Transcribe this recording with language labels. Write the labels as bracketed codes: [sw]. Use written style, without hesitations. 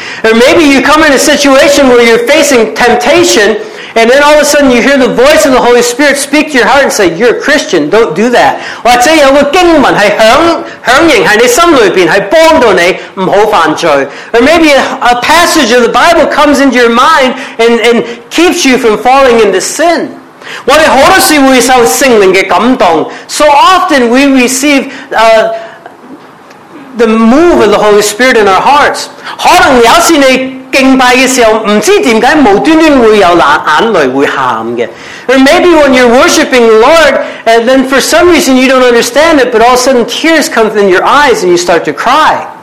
[en] Or maybe you come in a situation where you're facing temptation, and then all of a sudden you hear the voice of the Holy Spirit speak to your heart and say, you're a Christian, don't do that. [zh] 或者有个经文是响应在你心里面，是帮助你不要犯罪。 [en] Or maybe a passage of the Bible comes into your mind and keeps you from falling into sin. [zh] 我们很多时候会受圣灵的感动。 [en] So often we receive the move of the Holy Spirit in our hearts. [zh] 可能有时你 [en] Or maybe when you're worshiping the Lord, and then for some reason you don't understand it, but all of a sudden tears come in your eyes and you start to cry.